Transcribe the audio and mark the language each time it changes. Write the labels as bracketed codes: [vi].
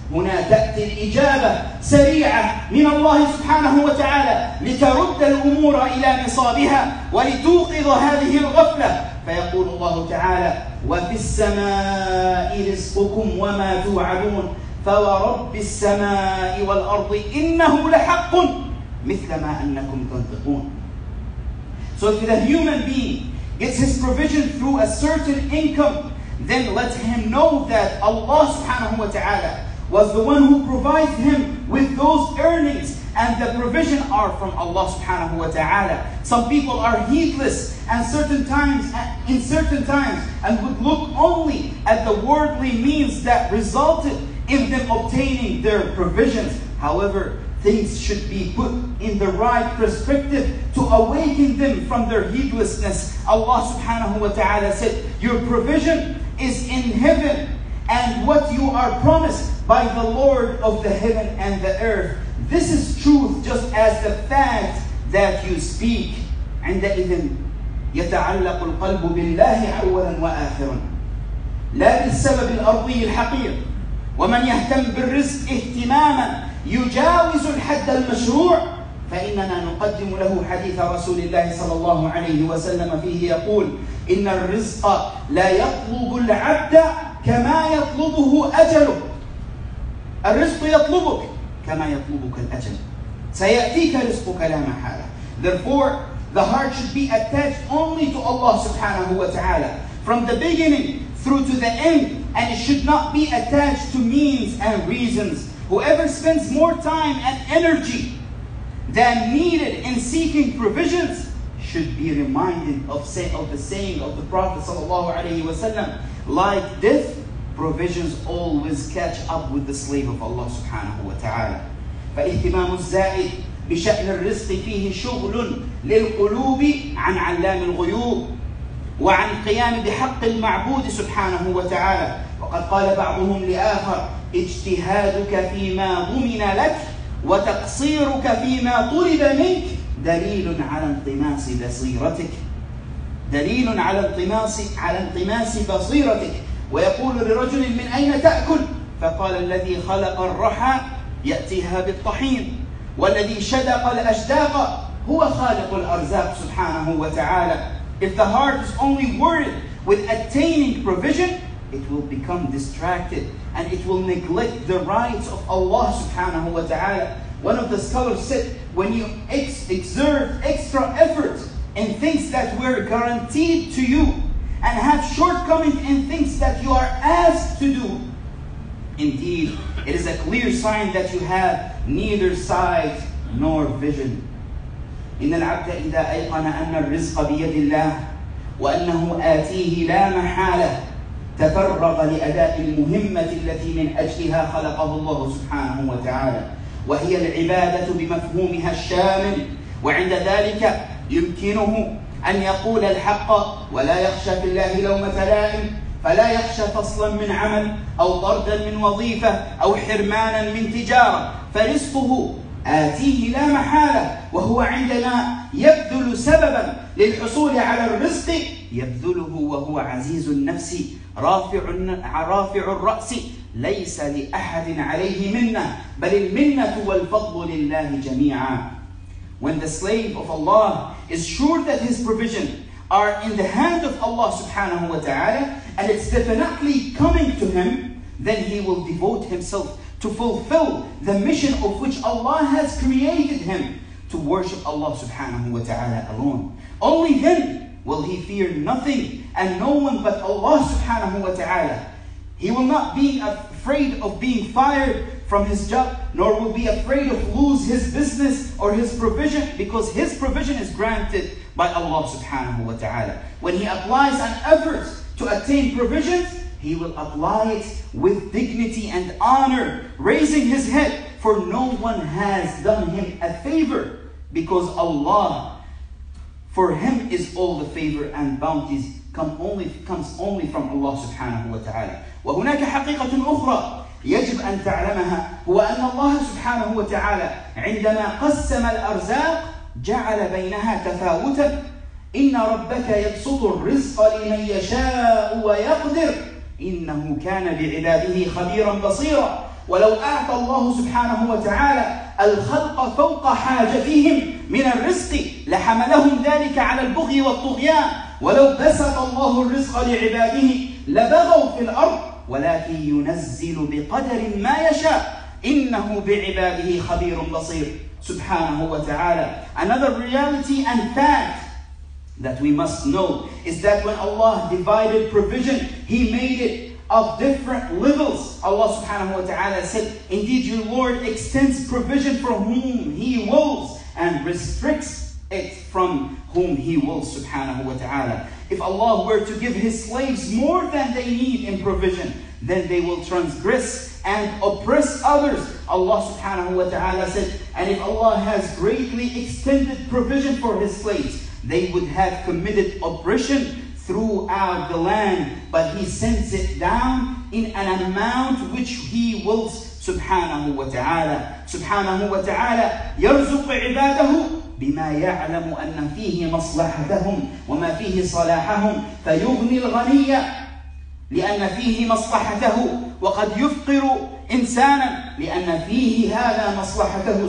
[ar] هنا تأتي الإجابة سريعة من الله سبحانه وتعالى لترد الأمور إلى نصابها ولتوقظ هذه الغفلة. فيقول الله تعالى: وفي السماء رزقكم وما توعدون فورب السماء والأرض إنه لحق مثل ما أنكم تنطقون. [en] So if the human being gets his provision through a certain income, then let him know that Allah subhanahu wa ta'ala was the one who provides him with those earnings, and the provision are from Allah subhanahu wa ta'ala. Some people are heedless and in certain times and would look only at the worldly means that resulted in them obtaining their provisions. However, things should be put in the right perspective to awaken them from their heedlessness. Allah subhanahu wa ta'ala said, your provision is in heaven, and what you are promised by the Lord of the heaven and the earth. This is truth just as the fact that you speak. [ar] عندئذ يتعلق القلب بالله أولا وآخرا لا بالسبب الأرضي الحقير. ومن يهتم بالرزق اهتماما يجاوز الحد المشروع فإننا نقدم له حديث رسول الله صلى الله عليه وسلم فيه يقول: إن الرزق لا يطلب العبد كما يطلبه أجله. الرزق يطلبك كما يطلبك الأجل. سيأتيك رزقك لا محالة. [en] Therefore, the heart should be attached only to Allah subhanahu wa ta'ala from the beginning through to the end, and it should not be attached to means and reasons. Whoever spends more time and energy than needed in seeking provisions should be reminded of the saying of the Prophet sallallahu alayhi wa sallam: like death, provisions always catch up with the slave of Allah subhanahu wa ta'ala. [ar] فاهتمام الزائد بشأن الرزق فيه شغل للقلوب عن علام الغيوب وعن قيام بحق المعبود سبحانه وتعالى. وقد قال بعضهم لآخر: اجتهادك فيما ضمن لك وتقصيرك فيما طلب منك دليل على انطماس بصيرتك. دليل على انطماس بصيرتك. ويقول لرجل: من أين تأكل؟ فقال: الذي خلق الرحى يأتيها بالطحين، والذي شدق الأشداق هو خالق الأرزاق سبحانه وتعالى. [en] If the heart is only worried with attaining provision, it will become distracted and it will neglect the rights of Allah subhanahu wa ta'ala. One of the scholars said, when you exert extra effort in things that were guaranteed to you and have shortcomings in things that you are asked to do, indeed, it is a clear sign that you have neither sight nor vision. [ar] إِنَّ الْعَبْدَ إِذَا أَيْقَنَ أَنَّ الرِّزْقَ بِيَدِ اللَّهِ وَأَنَّهُ آتِيهِ لَا مَحَالَةِ تفرغ لأداء المهمة التي من أجلها خلقه الله سبحانه وتعالى، وهي العبادة بمفهومها الشامل. وعند ذلك يمكنه أن يقول الحق ولا يخشى في الله لومة لائم، فلا يخشى فصلا من عمل أو طردا من وظيفة أو حرمانا من تجارة. فرزقه آتيه لا محالة، وهو عندما يبذل سببا للحصول على الرزق يبذله وهو عزيز النفس رافع الرأس، ليس لأحد عليه منة، بل المنة والفضل لله جميعا. [en] When the slave of Allah is sure that his provision are in the hand of Allah subhanahu wa ta'ala and it's definitely coming to him, then he will devote himself to fulfill the mission of which Allah has created him, to worship Allah subhanahu wa ta'ala alone. Only him will he fear nothing and no one but Allah subhanahu wa ta'ala. He will not be afraid of being fired from his job, nor will be afraid of lose his business or his provision, because his provision is granted by Allah subhanahu wa ta'ala. When he applies an effort to attain provisions, he will apply it with dignity and honor, raising his head, for no one has done him a favor, because Allah, for him is all the favor and bounties comes only from Allah subhanahu wa ta'ala. [ar] وهناك حقيقة أخرى يجب أن تعلمها، هو أن الله سبحانه وتعالى عندما قسم الأرزاق جعل بينها تفاوتا. إن ربك يبسط الرزق لمن يشاء ويقدر إنه كان بعباده خبيرا بصيرا. ولو أعطى الله سبحانه وتعالى الخلق فوق حاجتهم من الرزق لحملهم ذلك على البغي والطغيان. ولو بسط الله الرزق لعباده لبغوا في الأرض، ولكن ينزل بقدر ما يشاء، إنه بعباده خبير بصير سبحانه وتعالى. [en] Another reality and fact that we must know is that when Allah divided provision, He made it of different levels. Allah subhanahu wa ta'ala said, indeed your Lord extends provision for whom He wills and restricts it from whom He wills subhanahu wa ta'ala. If Allah were to give His slaves more than they need in provision, then they will transgress and oppress others. Allah subhanahu wa ta'ala said, and if Allah has greatly extended provision for His slaves, they would have committed oppression throughout the land, but He sends it down in an amount which He wills subhanahu wa ta'ala. [ar] Subhanahu wa ta'ala يرزق عباده بما يعلم أن فيه مصلحتهم وما فيه صلاحهم فيغني الغنية لأن فيه مصلحته، وقد يفقر إنسانا لأن فيه هذا مصلحته.